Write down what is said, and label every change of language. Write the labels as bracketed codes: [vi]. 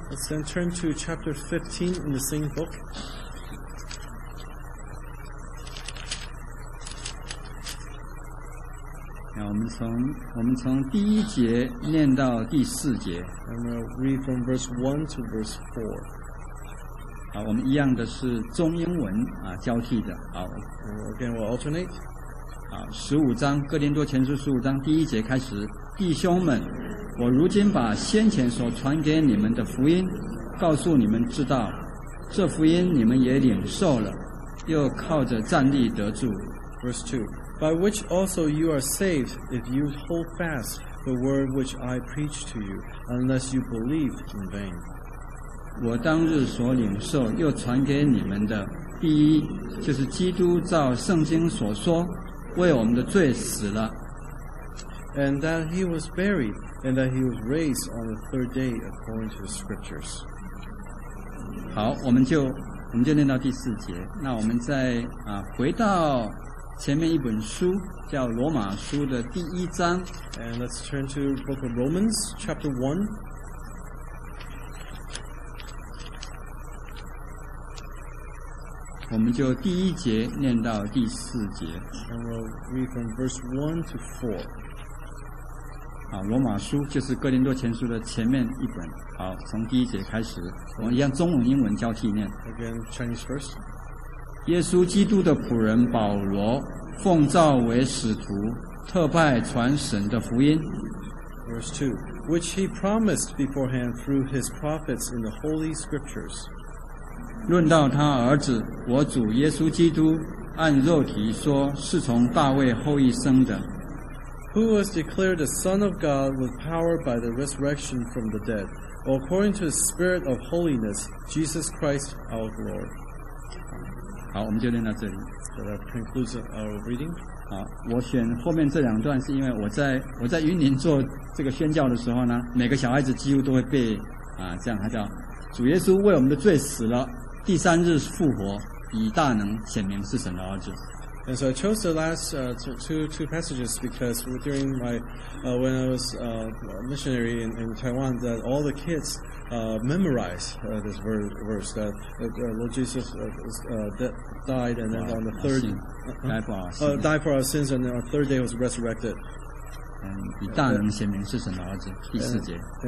[en] Let's then turn to chapter 15 in the same book. [zh] 我们从第一节念到第四节。 [en] I'm going to read from verse 1 to verse 4. [zh] 好，我们一样的是中英文啊交替的。好。 [en] Again, we'll alternate. [zh] 好，十五章，哥林多前书十五章第一节开始。弟兄们，我如今把先前所传给你们的福音告诉你们知道，这福音你们也领受了，又靠着站立得住。 [en] Verse 2. By which also you are saved, if you hold fast the word which I preach to you, unless you believe in vain. [zh] 我当日所领受又传给你们的，第一就是基督照圣经所说，为我们的罪死了。 [en] And that he was buried, and that he was raised on the third day according to the scriptures. [zh] 好，我们就念到第四节。那我们再啊回到。前面一本书叫罗马书的第一章。 [en] And let's turn to the book of Romans, chapter 1. [zh] 我们就第一节念到第四节。 [en] And we'll read from verse 1 to 4. [zh] 好，罗马书就是哥林多前书的前面一本。好，从第一节开始，我们一样中文英文交替念。 [en] Again, Chinese first. [zh] 耶稣基督的仆人保罗，奉召为使徒，特派传神的福音。 [en] verse 2, which he promised beforehand through his prophets in the Holy Scriptures. [zh] 论到他儿子，我主耶稣基督，按肉体说，是从大卫后裔生的。 [en] Who was declared a son of God with power by the resurrection from the dead, according to the spirit of holiness, Jesus Christ our Lord. [zh] 好，我们就念到这里。 [en] So that concludes our reading. [zh] 好，我选后面这两段是因为我在云林做这个宣教的时候呢，每个小孩子几乎都会背啊，这样他叫主耶稣为我们的罪死了，第三日复活，以大能显明是神的儿子。 [en] And so I chose the last two passages because during my when I was a missionary in Taiwan, that all the kids memorized this verse that Lord Jesus died and then on the third died for our sins and then on the third day was resurrected. [zh] And 以大能显明是神的儿子，第四节。